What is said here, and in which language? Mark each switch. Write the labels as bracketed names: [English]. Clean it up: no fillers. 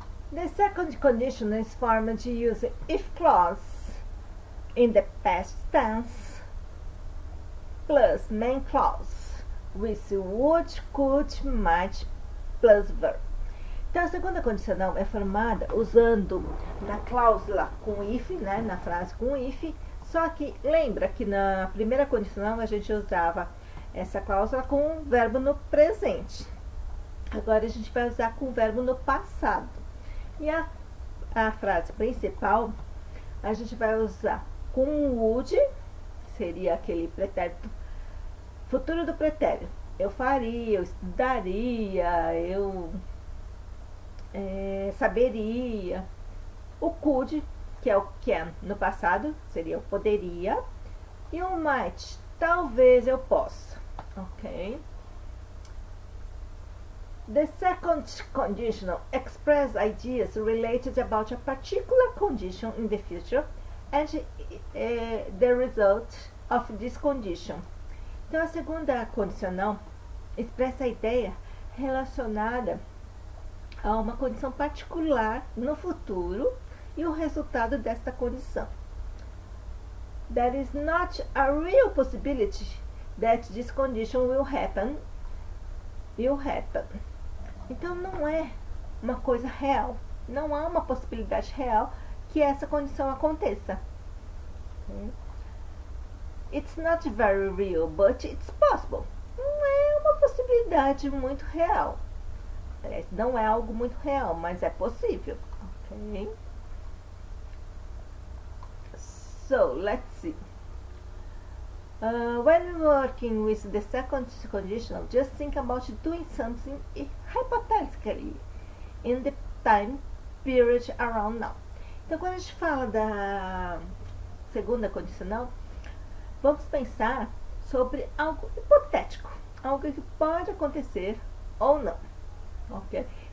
[English] The second condition is formed to use if clause in the past tense plus main clause with would, could, might plus verb. [Portuguese] Então, a segunda condicional é formada usando na cláusula com if, né, na frase com if. Só que lembra que na primeira condicional a gente usava essa cláusula com o verbo no presente. Agora a gente vai usar com o verbo no passado. E a frase principal a gente vai usar com would, que seria aquele pretérito, futuro do pretérito. Eu faria, eu estudaria, eu saberia. O could, que é o can no passado, seria eu poderia. E o might, talvez eu possa. Ok? [English] The second conditional expresses ideas related about a particular condition in the future and the result of this condition. [Portuguese] Então, a segunda condicional expressa a ideia relacionada a uma condição particular no futuro e o resultado desta condição. [English] There is not a real possibility that this condition will happen. [Portuguese] Então, não é uma coisa real. Não há uma possibilidade real que essa condição aconteça. [English] It's not very real, but it's possible. [Portuguese] Não é uma possibilidade muito real. Não é algo muito real, mas é possível. [English] Okay. So, let's see. When working with the second conditional, just think about doing something hypothetically in the time period around now. [Portuguese] Então, quando a gente fala da segunda condicional, vamos pensar sobre algo hipotético, algo que pode acontecer ou não, ok?